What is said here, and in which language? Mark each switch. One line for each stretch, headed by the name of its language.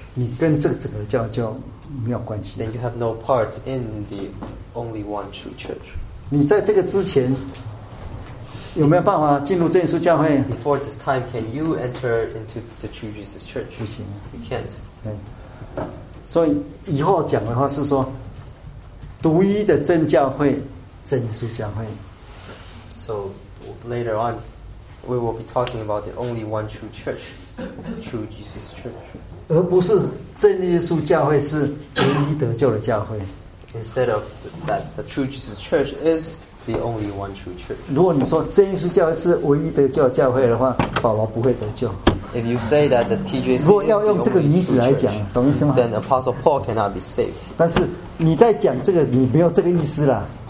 Chinese: 你跟这个整个教会就没有关系。
English: Then you have no part in the only one true church.
Chinese: 你在这个之前有没有办法进入正耶稣教会？
English: Before this time, can you enter into the true Jesus church?
Chinese: 不行，
English: you can't.
Chinese: 所以以后讲的话是说，独一的正教会，正耶稣教会。
English: So later on, we will be talking about the only one true church. True Jesus Church,
Chinese: 而不是真耶稣教会是唯一得救的教会。
English: Instead of that, the True Jesus Church is the only one true church.
Chinese: 如果你说真耶稣教会是唯一得救的教会的话，保罗不会得救。
English: If you say that the TJC,
Chinese: 如果要用这个名字来讲，懂意思吗
English: ？Then Apostle Paul cannot be saved.
Chinese: 但是你在讲这个，你没有这个意思啦。